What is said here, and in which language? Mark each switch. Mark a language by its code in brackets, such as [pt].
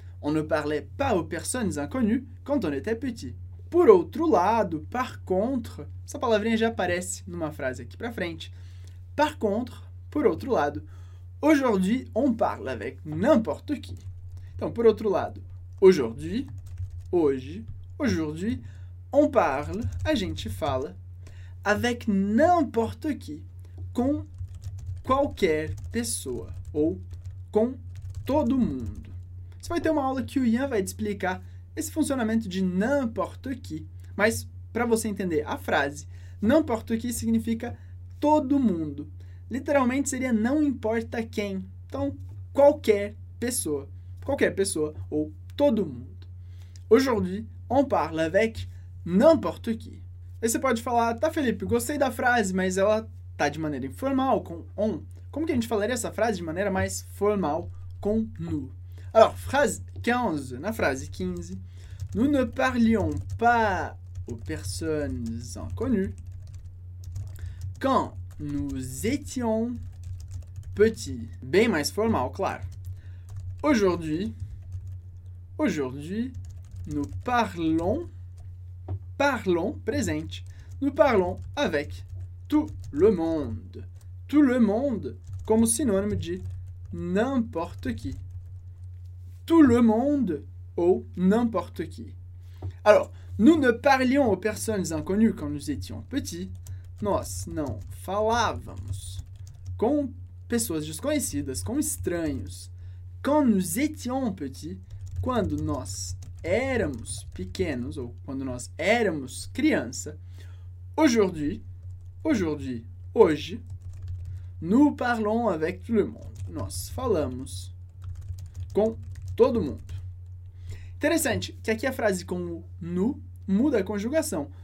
[fr] On ne parlait pas aux personnes inconnues quand on était petit. [pt] Por outro lado, [fr] par contre, [pt] essa palavrinha já aparece numa frase aqui pra frente. [fr] Par contre, [pt] por outro lado, [fr] aujourd'hui, on parle avec n'importe qui. [pt] Então, por outro lado, [fr] aujourd'hui, aujourd'hui, on parle, [pt] a gente fala, [fr] avec n'importe qui, [pt] com qualquer pessoa, ou com todo mundo. Você vai ter uma aula que o Ian vai te explicar esse funcionamento de [fr] n'importe qui, [pt] mas para você entender a frase, n'importe qui significa todo mundo. Literalmente seria não importa quem. Então, qualquer pessoa. Qualquer pessoa ou todo mundo. [fr] Aujourd'hui, on parle avec n'importe qui. [pt] Aí você pode falar, tá, Felipe, gostei da frase, mas ela tá de maneira informal, com on. Como que a gente falaria essa frase de maneira mais formal, com nous? Alors, phrase 15, na frase 15. [fr] Nous ne parlions pas aux personnes inconnues quand nous étions petits. [pt] Bem mais formal, claro. [fr] Aujourd'hui, nous parlons, présente, nous parlons avec tout le monde. Tout le monde [pt] como sinônimo de [fr] n'importe qui. Tout le monde ou n'importe qui. Alors, nous ne parlions aux personnes inconnues quand nous étions petits. [pt] Nós não falávamos com pessoas desconhecidas, com estranhos. [fr] Quand nous étions petits, [pt] quando nós éramos pequenos ou quando nós éramos criança. [fr] Aujourd'hui, [pt] hoje, [fr] nous parlons avec tout le monde. [pt] Nós falamos com todo mundo. Interessante que aqui a frase com o nous muda a conjugação.